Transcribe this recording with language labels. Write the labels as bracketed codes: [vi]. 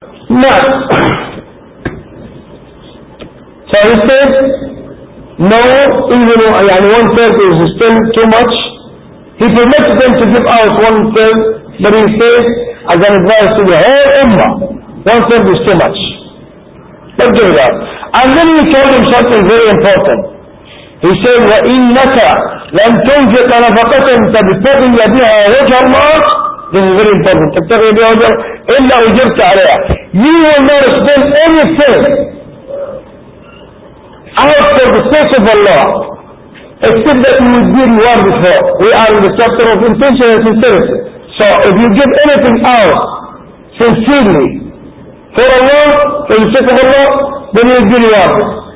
[en] Nah, so he said, no, even though one third is still too much, he permits them to give out one third, but he says, as an advice to the whole ummah, one third is too much. But give it out. And then he told him something very important. He said, [ar] وَإِنَّكَ لَمْ تُنْفِقَ نَفَقَةً تَبْتَغِي بِهَا وَجْهَ اللَّهِ. [en] This is very important. [ar] تَبْتَغِي بِهَا وَجْهَ اللَّهِ إِلَّا أُجِرْتَ عَلَيْهَا. [en] You will not spend anything out of the face of Allah except that you will be rewarded for. We are in the chapter of intention and sincerity. So if you give anything out sincerely for Allah, for the sake of Allah, then you will be rewarded.